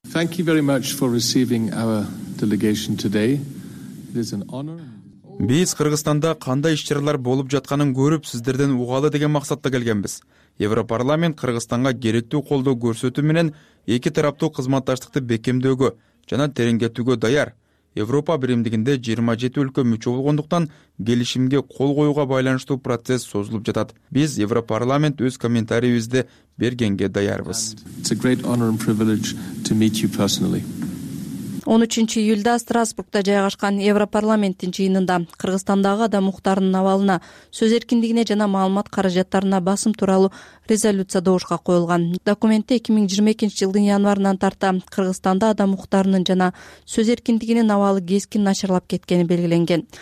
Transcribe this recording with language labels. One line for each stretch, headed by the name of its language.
English: Thank you very much for receiving our delegation today. It is an honor.
Kyrgyz: Биз Кыргызстанда кандай иш-чаралар болуп жатканын көрүп, сиздерден угалы деген максатта келгенбиз. Европарламент Кыргызстанга керектүү колдоо көрсөтүү менен эки тараптуу кызматташтыкты бекемдөөгө жана тереңдетүүгө даяр. Европа биримдигинде 27 өлкө мүчө болгондуктан келишимге кол коюуга байланыштуу процесс созулуп жатат. Биз Европарламент өз комментарийибизди бергенге даярбыз.
English: It's a great honor and privilege to meet you personally.
Kyrgyz: 13 июлда Страсбургда жайгашкан Европарламенттин жыйынында Кыргызстандагы адам укуктарынын абалына, сөз эркиндигине жана маалымат каражаттарына басым тууралуу резолюция добушка коюлган. Документте 2022 жылдын январынан тарта Кыргызстанда адам укуктарынын жана сөз эркиндигинин абалы кескин начарлап кеткени белгиленген.